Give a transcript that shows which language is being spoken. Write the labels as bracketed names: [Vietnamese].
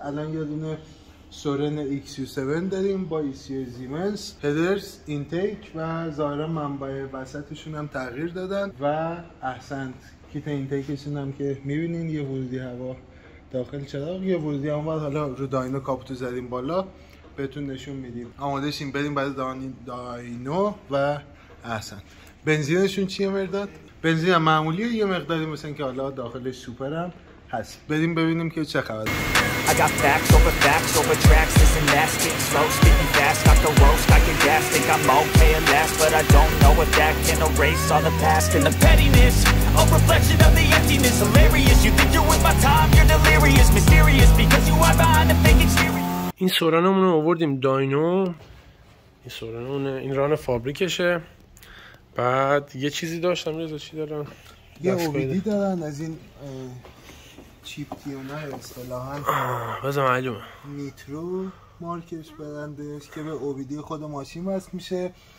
[Persian] الان یه دونه سورن XU7 داریم با ECU زیمنس هدرز اینتیک و ظاهرا منبع وسطشون هم تغییر دادن و احسنت کیت اینتیکشون هم که می‌بینین یه ورودی هوا داخل چراغ یه ورودی هم بعد حالا رو داینو کاپتو زدیم بالا بهتون نشون میدیم. آماده شیم بریم برای داینو و احسن. بنزینشون چیه مرداد؟ بنزین هم معمولیه یه مقداری مثل که حالا داخل سوپر هم هست. بریم ببینیم که چه خبر. [English] I got facts over facts over tracks, this and that, getting slow, spitting fast, got the roast, I can gas, think I'm okay at last, but I don't know if that can erase all the past, and the pettiness, a reflection of the emptiness, hilarious, you think you're with my time, you're delirious, mysterious, because you are behind the fake exterior. [Persian] این سورانمون رو آوردیم داینو. این سورانمون این ران فابریکشه. بعد یه چیزی داشتم رضا چی دارم؟ یه اوبیدی دارن از این چیپ تیونه اصطلاحاً بازم معلومه نیترو مارکش برندش که به اوبیدی خود ماشین وصل میشه.